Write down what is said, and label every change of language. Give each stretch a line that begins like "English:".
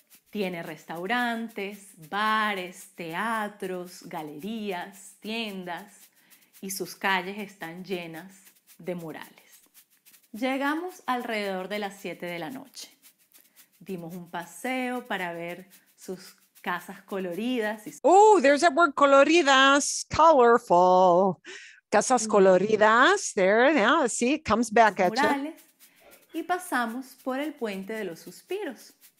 Spanish: Tiene restaurantes, bares, teatros, galerías, tiendas y sus calles están llenas de murales. Llegamos alrededor de las 7 de la noche. Dimos un paseo para ver sus casas coloridas.
English: Oh, there's that word coloridas, colorful.
Spanish: Casas coloridas,
English: there, now, see, it comes back at you.
Spanish: Y pasamos por el puente de los suspiros.